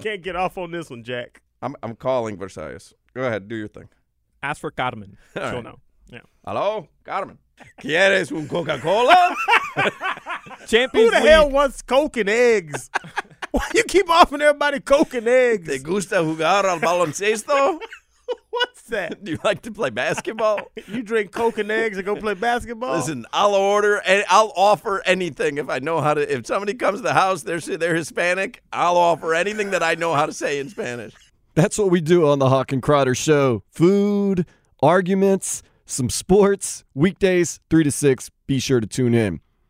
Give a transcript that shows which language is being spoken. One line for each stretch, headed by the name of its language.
English: Can't get off on this one, Jack. I'm calling Versailles. Go ahead. Do your thing. Ask for Carmen. She'll know. Yeah.
Spanish: Hello? Carmen. ¿Quieres un Coca-Cola?
English: Champions Who the League. Hell wants Coke and eggs? Why you keep offering everybody Coke and eggs?
Spanish: ¿Te gusta jugar al baloncesto?
English: What's that? Do you like to play basketball? You drink Coke and eggs and go play basketball? Listen, I'll offer anything if I know how to. If somebody comes to the house, they're Hispanic, I'll offer anything that I know how to say in Spanish. That's what we do on the Hawk and Crowder Show. Food, arguments, some sports, weekdays, 3 to 6. Be sure to tune in.